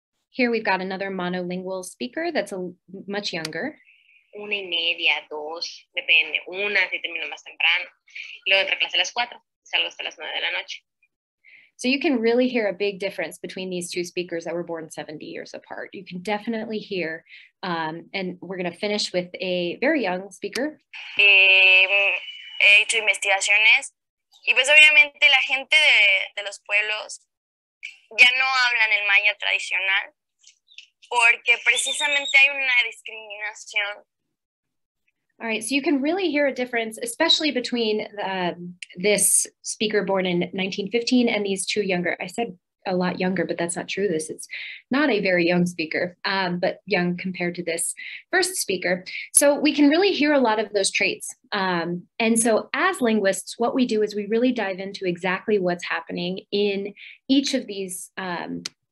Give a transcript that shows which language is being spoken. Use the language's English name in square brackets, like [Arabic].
[English] Here we've got another monolingual speaker that's much younger. [Spanish] Una y media, dos, depende. Una si termino más temprano. Luego entra clase a las cuatro, salgo hasta las nueve de la noche. [English] So you can really hear a big difference between these two speakers that were born 70 years apart. You can definitely hear, and we're going to finish with a very young speaker. [Spanish] He hecho investigaciones, y pues obviamente la gente de los pueblos ya no hablan el maya tradicional porque precisamente hay una discriminación. [English] All right, so you can really hear a difference, especially between this speaker born in 1915 and these two younger. I said a lot younger, but that's not true. This is not a very young speaker, but young compared to this first speaker. So we can really hear a lot of those traits. And so as linguists, what we do is we really dive into exactly what's happening in each of these parts.